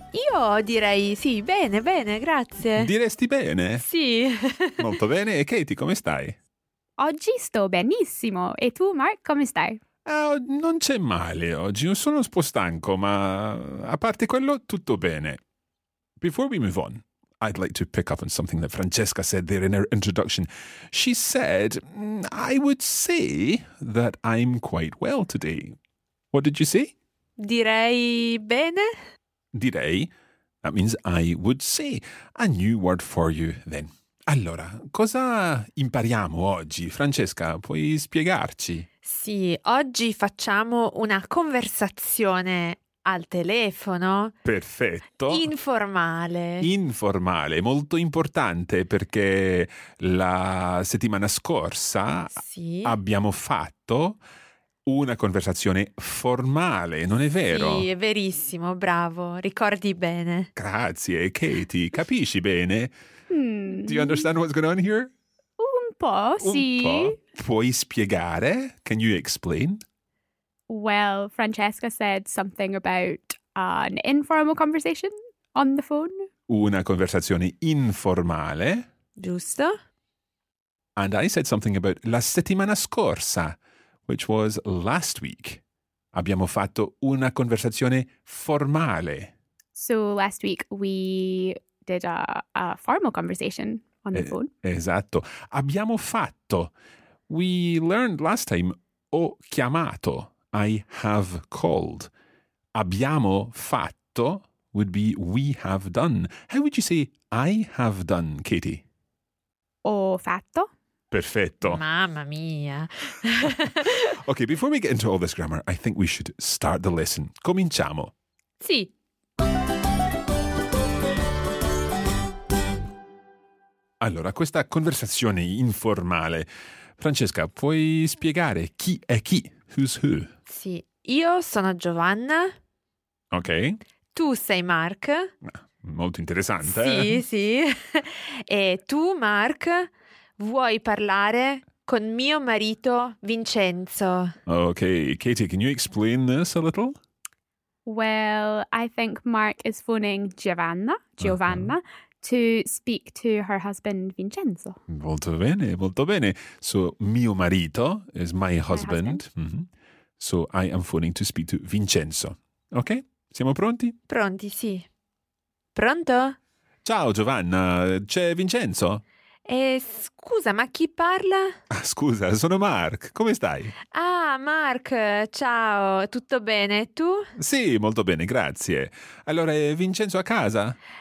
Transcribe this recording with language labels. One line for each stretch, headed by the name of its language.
Italian: Io direi sì, bene, bene, grazie. Diresti bene? Sì. Molto bene. E Katie, come stai? Oggi sto benissimo. E tu, Mark, come stai? Non c'è male oggi. Sono un po' stanco, ma a parte quello, tutto bene.
English: Before we move on, I'd like to pick up on something that Francesca said there in her introduction. She said, I would say that I'm quite well today. What did you say?
Italian: Direi bene. Direi.
English: That means I would say. A new word for you then.
Italian: Allora, cosa impariamo oggi? Francesca, puoi spiegarci? Sì, oggi facciamo una conversazione al telefono. Perfetto. Informale. Informale, molto importante perché la settimana scorsa abbiamo fatto una conversazione formale, non è vero? Sì, è verissimo, bravo, ricordi bene. Grazie, Katie, capisci bene?
English: Do you understand what's going on here?
Italian: Un po', sì. Un po'. Puoi spiegare?
English: Can you explain? Well, Francesca said something about an informal conversation on the phone.
Italian: Una conversazione informale. Giusto.
English: And I said something about
Italian: la settimana scorsa,
English: which was last week.
Italian: Abbiamo fatto una conversazione formale.
English: So last week we did a formal conversation on the phone.
Italian: Esatto. Abbiamo fatto.
English: We learned last time,
Italian: ho chiamato.
English: I have called.
Italian: Abbiamo fatto
English: would be we have done. How would you say I have done, Katie?
Italian: Ho fatto. Perfetto. Mamma mia.
English: Okay, before we get into all this grammar, I think we should start the lesson.
Italian: Cominciamo. Sì. Allora, questa conversazione informale. Francesca, puoi spiegare chi è chi?
English: Who's who?
Italian: Sì, io sono Giovanna. Ok. Tu sei Mark. Molto interessante. Sì, sì. E tu, Mark, vuoi parlare con mio marito Vincenzo.
English: Ok, Katie, can you explain this a little? Well, I think Mark is phoning Giovanna. Uh-huh. To speak to her husband, Vincenzo.
Italian: Molto bene, molto bene.
English: So,
Italian: mio marito
English: is my husband. Mm-hmm. So, I am phoning to speak to Vincenzo.
Italian: Ok? Siamo pronti? Pronti, sì. Pronto? Ciao, Giovanna. C'è Vincenzo? Scusa, ma chi parla? Ah, scusa, sono Mark. Come stai? Ah, Mark, ciao. Tutto bene, tu? Sì, molto bene, grazie. Allora, è Vincenzo a casa?